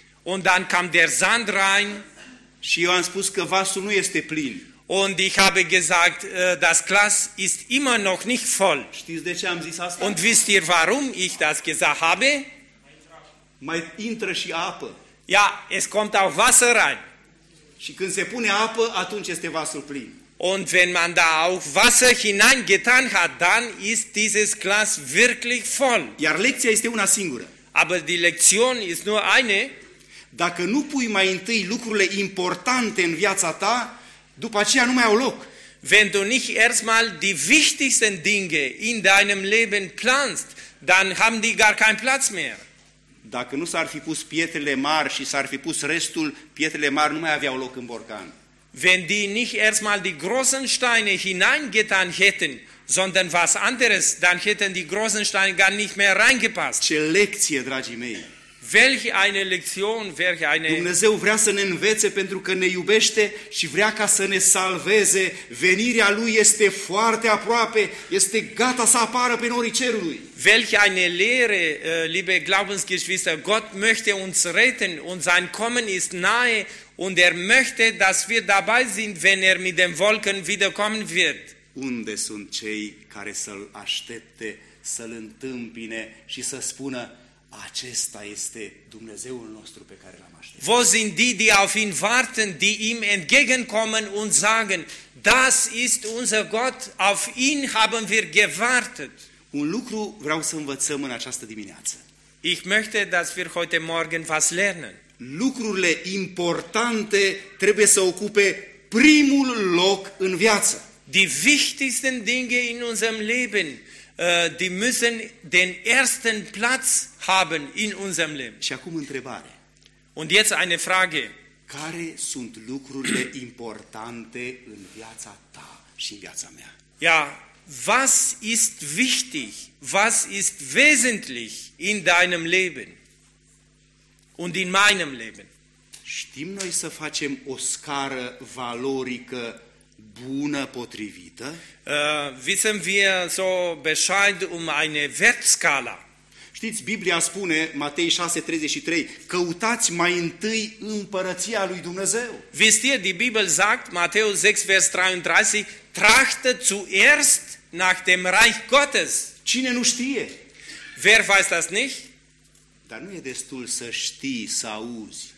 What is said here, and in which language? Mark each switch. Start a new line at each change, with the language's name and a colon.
German: Und dann kam der Sand rein.
Romanian: Și eu am spus că vasul nu este plin.
German: Und ich habe gesagt, das Glas ist immer noch nicht voll.
Romanian: Știți de ce am zis asta?
German: Und wisst ihr warum ich das gesagt habe?
Romanian: Mai intră și apă.
German: Ja, es kommt auch Wasser rein.
Romanian: Și când se pune apă, atunci este vasul plin.
German: Und wenn man da auch Wasser hineingetan hat, dann ist dieses Glas wirklich voll.
Romanian: Iar lecția este una singură.
German: Aber die Lektion ist nur eine.
Romanian: Dacă nu pui mai întâi lucrurile importante în viața ta, după aceea nu mai au loc.
German: Wenn du nicht erstmal die wichtigsten Dinge in deinem Leben planst, dann haben die gar keinen Platz mehr.
Romanian: Dacă nu s-ar fi pus pietrele mari și s-ar fi pus restul, pietrele mari nu mai aveau loc în borcan.
German: Wenn die nicht erstmal die großen Steine hineingetan hätten, sondern was anderes, dann hätten die großen Steine gar nicht mehr reingepasst.
Romanian: Ce lecție, dragii mei!
German: Welch eine Lektion, welch eine...
Romanian: Dumnezeu vrea să ne învețe pentru că ne iubește și vrea ca să ne salveze. Venirea Lui este foarte aproape, este gata să apară prin orii cerului.
German: Welch eine Lehre, liebe Glaubensgeschwister, Gott möchte uns retten und sein Kommen ist nahe und möchte, dass wir dabei sind, wenn mit den Wolken wiederkommen wird.
Romanian: Unde sunt cei care să-L aștepte, să-L întâmpine și să spună: acesta este Dumnezeul nostru pe care l-am așteptat.
German: Wo sind die, die auf ihn warten, die ihm entgegenkommen und sagen, das ist unser Gott, auf ihn haben wir gewartet.
Romanian: Un lucru vreau să învățăm în această dimineață.
German: Ich möchte, dass wir heute Morgen was lernen.
Romanian: Lucrurile importante trebuie să ocupe primul loc în viață.
German: Die wichtigsten Dinge in unserem Leben, die müssen den ersten Platz haben in unserem Leben.
Romanian: Și acum întrebare.
German: Und jetzt eine Frage.
Romanian: Care sunt lucrurile importante în viața ta și în viața mea?
German: Ja, was ist wichtig? Was ist wesentlich in deinem Leben? Und in meinem Leben?
Romanian: Știm noi să facem o scară valorică bună, potrivită?
German: Wissen wir so Bescheid eine Wertskala?
Romanian: Știți, Biblia spune, Matei 6:33, căutați mai întâi împărăția lui Dumnezeu.
German: Wisst ihr, die Bibel sagt, Matthäus 6:33, trachte zuerst nach dem Reich Gottes.
Romanian: Cine nu știe?
German: Wer weiß das nicht?
Romanian: Dar nu e destul să știi, să auzi.